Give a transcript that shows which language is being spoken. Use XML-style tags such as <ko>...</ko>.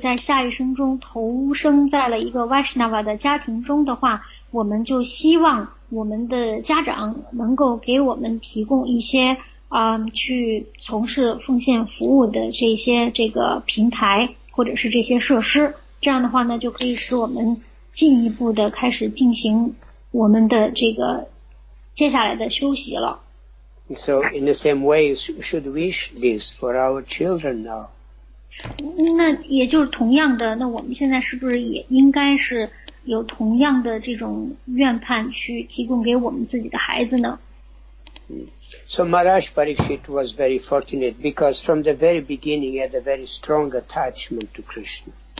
<zh>那么所以如果我们要是在下一生中投生在了一个 Vaishnava 的家庭中的话，我们就希望我们的家长能够给我们提供一些去从事奉献服务的这些平台或者是这些设施，这样的话呢，就可以使我们进一步的开始进行我们的这个接下来的休息了。</zh> <en>So in the same way, should wish this for our children now?</en> <zh>那也就是同样的，那我们现在是不是也应该是有同样的这种愿盼去提供给我们自己的孩子呢？</zh> <en>So Maharaj Parikshit was very fortunate because from the very beginning he had a very strong attachment to Krishna.</en>